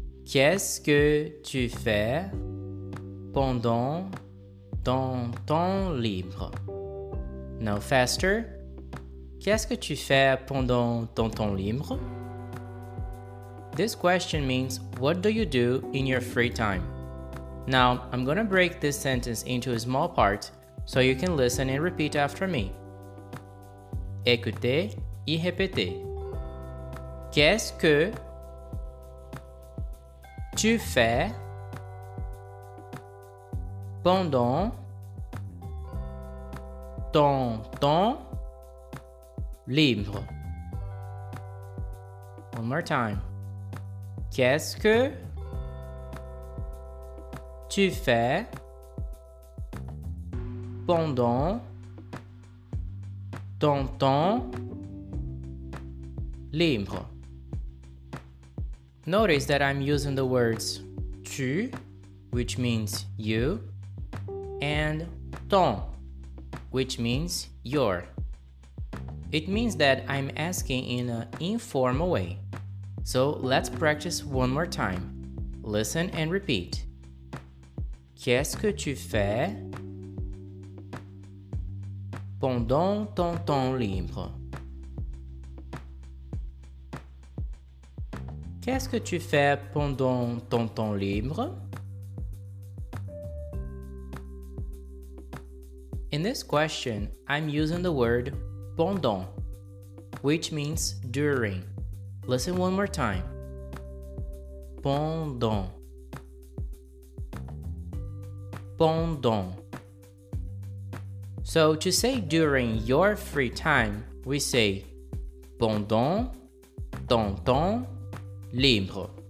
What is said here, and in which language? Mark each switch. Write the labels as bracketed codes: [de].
[fr] Qu'est-ce que tu fais pendant ton temps libre? [en] Now faster. [fr] Qu'est-ce que tu fais pendant ton temps libre? [en] This question means, what do you do in your free time? Now, I'm gonna break this sentence into a small part so you can listen and repeat after me. [fr] Écoutez et répétez. Qu'est-ce que tu fais pendant ton temps libre? [en] One more time. [fr] Qu'est-ce que tu fais pendant ton temps libre? [en] Notice that I'm using the words tu, which means you, and ton, which means your. It means that I'm asking in an informal way. So let's practice one more time. Listen and repeat. [fr] Qu'est-ce que tu fais pendant ton temps libre? Qu'est-ce que tu fais pendant ton temps libre? [en] In this question, I'm using the word pendant, which means during. Listen one more time. Pendant. Pendant. So to say during your free time, we say [fr] pendant ton temps libre.